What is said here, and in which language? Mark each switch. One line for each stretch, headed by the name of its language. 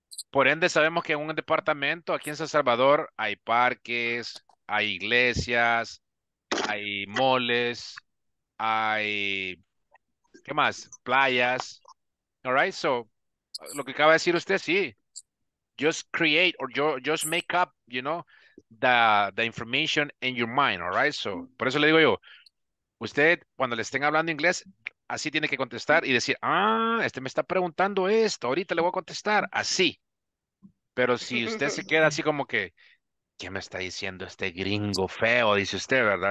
Spanish: Por ende, sabemos que en un departamento, aquí en San Salvador, hay parques, hay iglesias, hay moles, hay, ¿qué más? Playas.
English: All right, so,
Spanish: lo que acaba de decir usted, sí.
English: Just create or just make up, you know, the information in your mind, all right?
Spanish: So, por eso le digo yo, usted, cuando le estén hablando inglés, así tiene que contestar y decir, este me está preguntando esto, ahorita le voy a contestar, así. Pero si usted se queda así como que, ¿qué me está diciendo este gringo feo? Dice usted, ¿verdad?